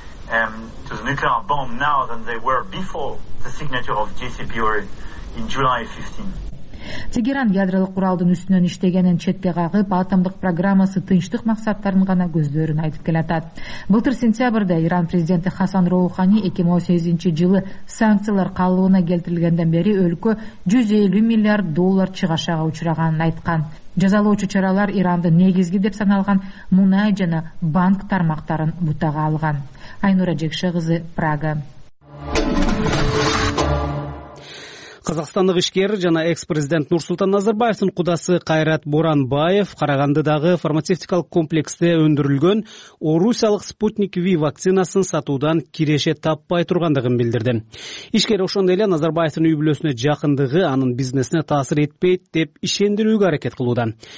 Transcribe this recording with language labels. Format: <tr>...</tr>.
<en>To the nuclear bomb now than they were before the signature of JCPOA in July 15.</en> <ky>Тегеран ядролук куралдын үстүнөн иштегенин четке кагып, атомдук программасы тынчтык максаттарын гана көздөрүн айтып келатат. Былтыр сентябрда Иран президенти Хасан Роухани 2018 жылы санкциялар калыбына келтирилгенден бери өлкө 150 миллиард доллар чыгашага учураганын айткан. Жазалоочу чаралар Иранды негизги деп саналган мунай жана банк тармактарын бутага алган. Айнура Жекши кызы, Прага. Казакстандык ишкер жана экс-президент Нурсултан Назарбаевдин кудасы Кайрат Боранбаев Карагандыдагы фармацевтикалык комплексте өндүрүлгөн орусиялык спутник V вакцинасын сатуудан киреше таппай тургандыгын билдирди. Ишкер ошондой эле Назарбаевдин үй бүлөсүнө жакындыгы анын бизнесине таасир этпейт деп ишендирүүгө аракет кылууда.</ky>